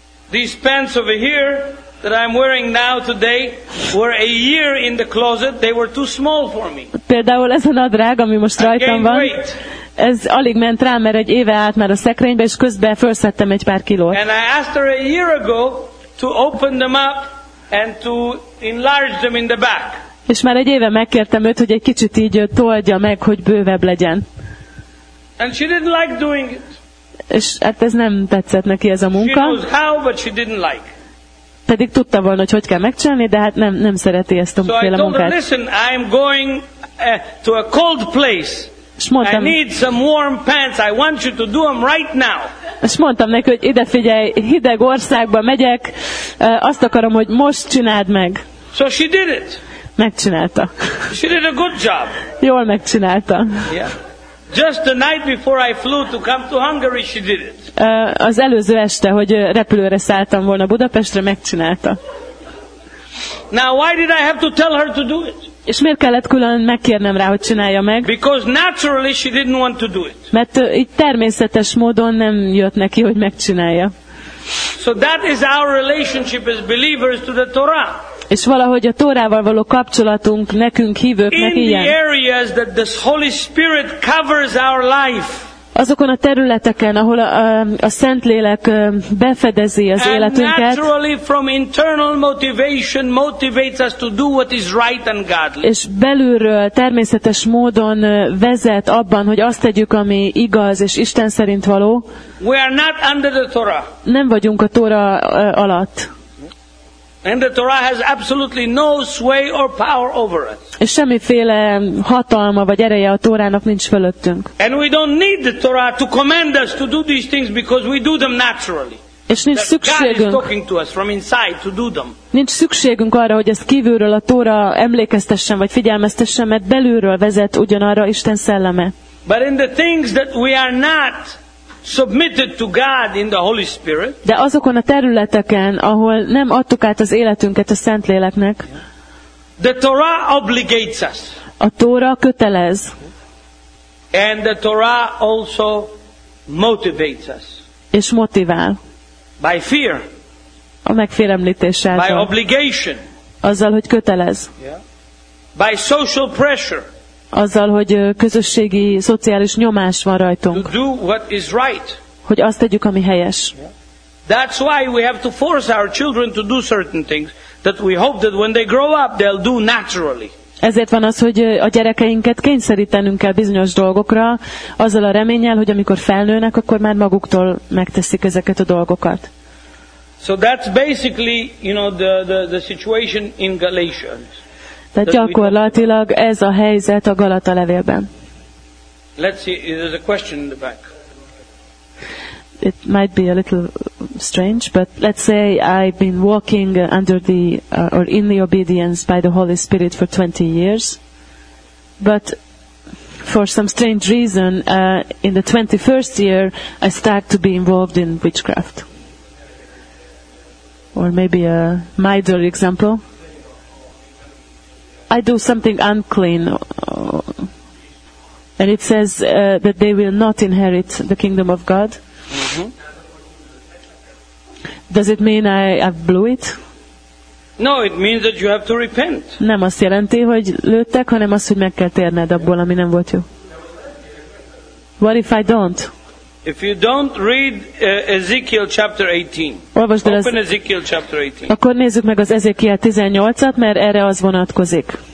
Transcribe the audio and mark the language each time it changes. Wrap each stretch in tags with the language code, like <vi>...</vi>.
<en>These pants over here that I'm wearing now today were a year in the closet. They were too small for me.</en> <hu>Például ez a nadrág, ami most rajtam van, ez alig ment rá, mert egy éve állt már a szekrénybe, és közben felszedtem egy pár kilót.</hu> <en>And I asked her a year ago to open them up and to enlarge them in the back.</en> <hu>És már egy éve megkértem őt, hogy egy kicsit így toldja meg, hogy bővebb legyen.</hu> <en>And she didn't like doing it.</en> <hu>És hát ez nem tetszett neki ez a munka.</hu> <en>She knows how, but she didn't like.</en> <hu>Pedig tudta volna, hogy hogy kell megcsinálni, de hát nem szereti ezt a féle munkát.</hu> <en>Listen, I'm going to a cold place.</en> <hu>Mondtam,</hu> <en>I need some warm pants. I want you to do them right now.</en> <hu>És mondtam neki, hogy ide figyelj, hideg országba megyek, azt akarom, hogy most csináld meg.</hu> <en>So she did it.</en> <hu>Megcsinálta.</hu> <en>She did a good job.</en> <hu>Jól megcsinálta.</hu> <en>Yeah. Just the night before I flew to come to Hungary, she did it.</en> <hu>Az előző este, hogy repülőre szálltam volna Budapestre, megcsinálta.</hu> <en>Now why did I have to tell her to do it?</en> <hu>És miért kellett külön megkérnem rá, hogy csinálja meg?</hu> <en>Because naturally she didn't want to do it.</en> <hu>Mert így természetes módon nem jött neki, hogy megcsinálja.</hu> <en>So that is our relationship as believers to the Torah.</en> <hu>És valahogy a Tórával való kapcsolatunk nekünk hívőknek ilyen.</hu> <en>In the areas that the Holy Spirit covers our life.</en> <hu>Azokon a területeken, ahol a Szentlélek befedezi az</hu> <en>and</en> <hu>életünket.</hu> <en>Naturally from internal motivation motivates us to do what is right and godly.</en> <hu>És belülről természetes módon vezet abban, hogy azt tegyük, ami igaz és Isten szerint való.</hu> <en>We are not under the Torah.</en> <hu>Nem vagyunk a Tóra alatt.</hu> <en>And the Torah has absolutely no sway or power over us.</en> <hu>És semmiféle hatalma vagy ereje a Tórának nincs fölöttünk.</hu> <en>And we don't need the Torah to command us to do these things because we do them naturally.</en> <hu>És nincs szükségünk.</hu> <en>God is talking to us from inside to do them.</en> <hu>Nincs szükségünk arra, hogy ezt kívülről a Tóra emlékeztessen vagy figyelmeztessen, mert belülről vezet ugyanarra Isten szelleme.</hu> <en>But in the things that we are not submitted to God in the Holy Spirit.</en> <hu>De azokon a területeken, ahol nem adtuk át az életünket a Szentléleknek.</hu> <en>The Torah obligates us.</en> <hu>A Tóra kötelez.</hu> <en>And the Torah also motivates us.</en> <hu>És motivál.</hu> <en>By fear.</en> <hu>A megfélemlítés által.</hu> <en>By obligation.</en> <hu>Azzal, hogy kötelez.</hu> <en>Yeah. By social pressure.</en> <hu>Azzal, hogy közösségi, szociális nyomás van rajtunk.</hu> <en>To do what is right.</en> <hu>Hogy azt tegyük, ami helyes.</hu> <en>That's why we have to force our children to do certain things that we hope that when they grow up they'll do naturally.</en> <hu>Ezért van az, hogy a gyerekeinket kényszerítenünk kell bizonyos dolgokra, azzal a reménnyel, hogy amikor felnőnek, akkor már maguktól megteszik ezeket a dolgokat.</hu> <en>So that's basically, you know, the situation in Galatians.</en> <hu>Tehát gyakorlatilag ez a helyzet a Galata levélben.</hu> <en>Let's see, there's a question in the back. It might be a little strange, but let's say I've been walking under the or in the obedience by the Holy Spirit for 20 years, but for some strange reason, in the 21st year, I start to be involved in witchcraft. Or maybe a milder example. I do something unclean, and it says that they will not inherit the kingdom of God. Mm-hmm. Does it mean I've blew it? No, it means that you have to repent.</en> <hu>Nem azt jelenti, hogy lőttek, hanem azt, hogy meg kell térned abból, ami nem volt jó.</hu> <en>What if I don't? If you don't read Ezekiel chapter 18.</en> <hu>Olvasd el</hu> <en>Ezekiel chapter 18.</en> <hu>Akkor nézzük meg az Ezekiel 18-at, mert erre az vonatkozik.</hu>